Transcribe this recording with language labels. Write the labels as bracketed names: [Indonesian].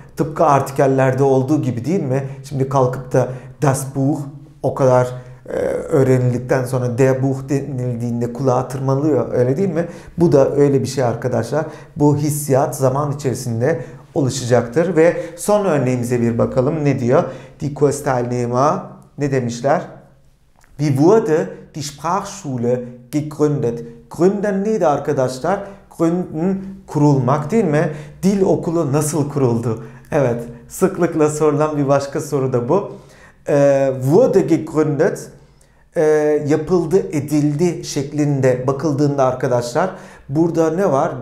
[Turkish] Tıpkı artikellerde olduğu gibi, değil mi? Şimdi kalkıp da das Buch o kadar öğrenildikten sonra der Buch denildiğinde kulağa tırmalıyor, öyle değil mi? Bu da öyle bir şey arkadaşlar. Bu hissiyat zaman içerisinde oluşacaktır. Ve son örneğimize bir bakalım. Ne diyor? [German] Die Kursteilnehmer [Turkish] ne demişler? [German] Wie wurde die Sprachschule gegründet? [Turkish] Gründen neydi arkadaşlar? Gründen kurulmak değil mi? Dil okulu nasıl kuruldu? Evet, sıklıkla sorulan bir başka soru da bu. [German] Wurde gegründet, [Turkish] yapıldı, edildi şeklinde bakıldığında arkadaşlar, burada ne var?